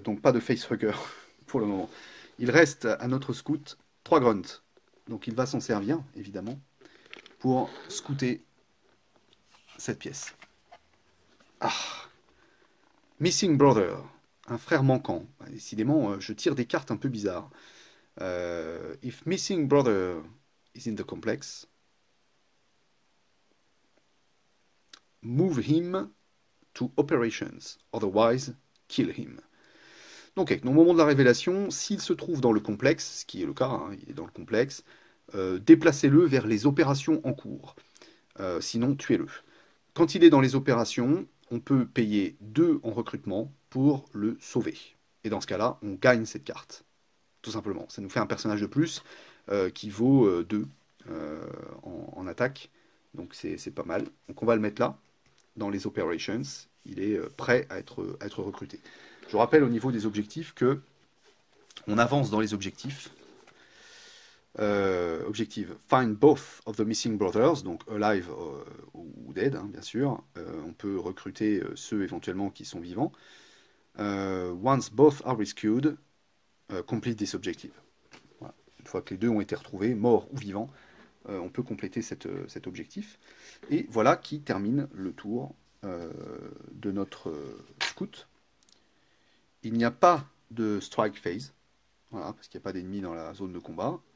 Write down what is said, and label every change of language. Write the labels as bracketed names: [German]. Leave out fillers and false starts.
[French] Donc pas de facehugger pour le moment. Il reste à notre scout 3 grunts. Donc il va s'en servir, évidemment, pour scouter cette pièce. Ah. Missing Brother. Un frère manquant. Décidément, je tire des cartes un peu bizarres. [English] If Missing Brother is in the complex, move him to operations. Otherwise, kill him. [French] Donc, au moment de la révélation, s'il se trouve dans le complexe, ce qui est le cas, hein, il est dans le complexe, déplacez-le vers les opérations en cours. Sinon, tuez-le. Quand il est dans les opérations, on peut payer 2 en recrutement pour le sauver. Et dans ce cas-là, on gagne cette carte. Tout simplement. Ça nous fait un personnage de plus qui vaut 2 en attaque. Donc c'est pas mal. Donc on va le mettre là, dans les operations. Il est prêt à être recruté. Je vous rappelle au niveau des objectifs que on avance dans les objectifs. Objectif [English] find both of the missing brothers, [French] donc alive ou dead, hein, bien sûr. On peut recruter ceux éventuellement qui sont vivants. [English] Once both are rescued, complete this objective. [French] Voilà. Une fois que les deux ont été retrouvés, morts ou vivants, on peut compléter cet objectif. Et voilà qui termine le tour de notre scout. Il n'y a pas de strike phase, voilà, parce qu'il n'y a pas d'ennemis dans la zone de combat.